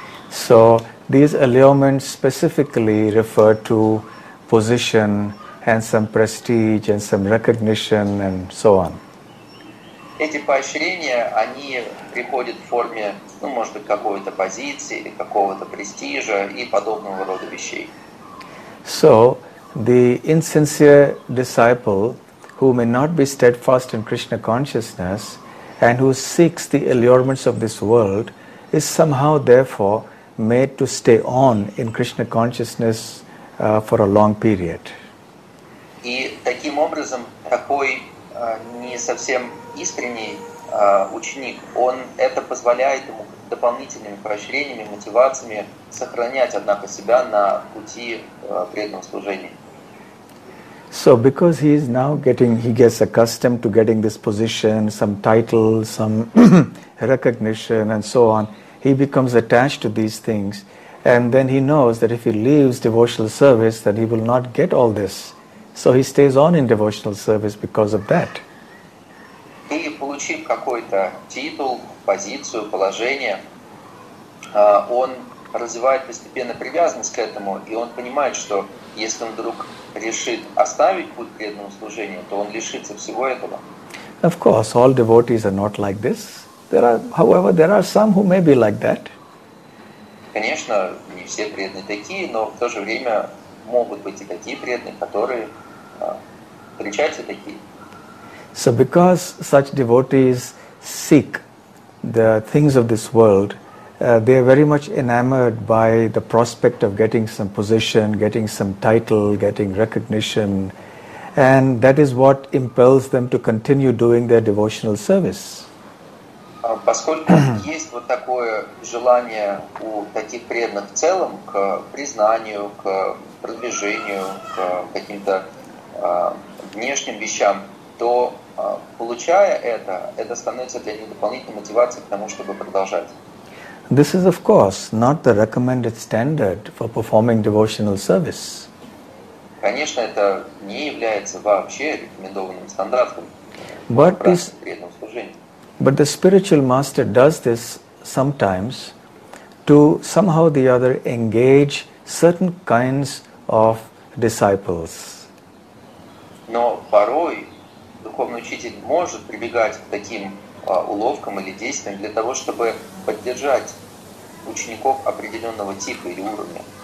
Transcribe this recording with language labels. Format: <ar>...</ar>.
<en>So these allurements specifically refer to position and some prestige and some recognition and so on.</en> <ru>Эти поощрения, они приходят в форме, ну, может быть, какой-то позиции или какого-то престижа и подобного рода вещей.</ru> <en>So, the insincere disciple, who may not be steadfast in Krishna consciousness, and who seeks the allurements of this world, is somehow, therefore, made to stay on in Krishna consciousness for a long period.</en> <ru>И таким образом, такой не совсем искренний ученик, он это позволяет ему дополнительными поощрениями, мотивациями сохранять, однако, себя на пути преданного служения.</ru> <en>So because he is now getting, he gets accustomed to getting this position, some title, some recognition and so on, he becomes attached to these things, and then he knows that if he leaves devotional service, then he will not get all this. So he stays on in devotional service because of that.</en> <ru>И получив какой-то титул, позицию, положение, он развивает постепенно привязанность к этому, и он понимает, что если он вдруг решит оставить путь преданного служения, то он лишится всего этого.</ru> <en>Of course, all devotees are not like this. However, there are some who may be like that.</en> <ru>Конечно, не все преданные такие, но в то же время могут быть и такие преданные, которые встречаются такие.</ru> <en>So because such devotees seek the things of this world, they are very much enamored by the prospect of getting some position, getting some title, getting recognition, and that is what impels them to continue doing their devotional service.</en> <ru>Поскольку есть вот такое желание у таких преданных в целом к признанию, к продвижению, к каким-то внешним вещам, то получая это становится для них дополнительной мотивацией к тому, чтобы продолжать.</ru> <en>This is, of course, not the recommended standard for performing devotional service.</en> <ru>Конечно, это не является вообще рекомендованным стандартом.</ru> <en>But the spiritual master does this sometimes to somehow or the other engage certain kinds of disciples.</en> <ru>Но порой духовный учитель может прибегать к таким уловкам или действиям для того, чтобы поддержать учеников определенного типа или уровня.</ru>